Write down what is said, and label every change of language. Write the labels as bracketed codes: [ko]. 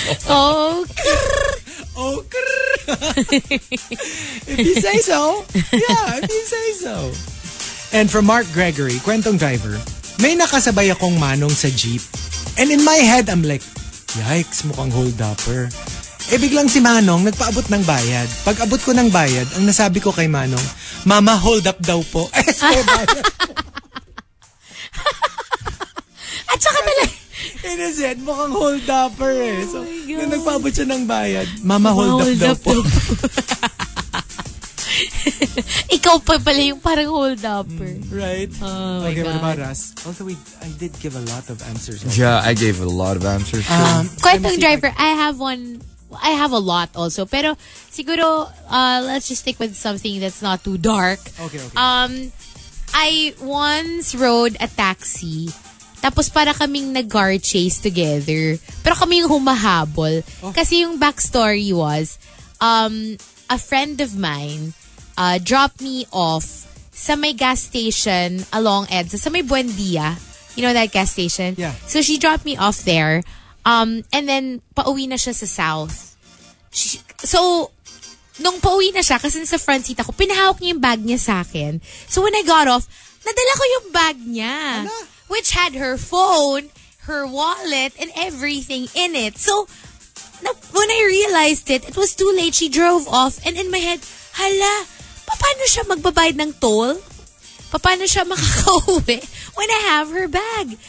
[en] Oh, krrr. If you say so. Yeah, if you say so. [tl] And from Mark Gregory, Kuwentong Driver, may nakasabay akong manong sa jeep. [en] And in my head, I'm like, yikes, [tl] mukhang hold upper. E biglang si Manong nagpaabot ng bayad. Pag-abot ko ng bayad, ang nasabi ko kay Manong, Mama, hold up daw po. At saka talaga, [en] in his head, [tl] mukhang hold upper eh. So, nung nagpaabot siya ng bayad, Mama, hold up daw po. Ikaw pa pala yung parang hold upper. [en] Right? Oh, okay, God. What about us? Although I did give a lot of answers. Yeah, I gave a lot of answers. Kuwentong Driver, I have a lot also. [tl] Pero siguro, [en] let's just stick with something that's not too dark. Okay. I once rode a taxi. [tl] Tapos para kaming nag-car chase together. Pero kami yung humahabol. Oh. [en] Kasi yung backstory was, a friend of mine dropped me off sa may gas station along EDSA. [tl] Sa may Buendia. [en] You know that gas station? Yeah. So she dropped me off there. [tl] And then, pa-uwi na siya sa south. So, nung pauwi na siya, kasi sa front seat ako, pinahawak niya yung bag niya sa akin. [en] So, when I got off, [tl] nadala ko yung bag niya. Ano? [en] Which had her phone, her wallet, and everything in it. So, when I realized it was too late, she drove off. And in my head, [tl] hala, paano siya magbabayad ng toll? Paano siya makaka-uwi [en] when I have her bag?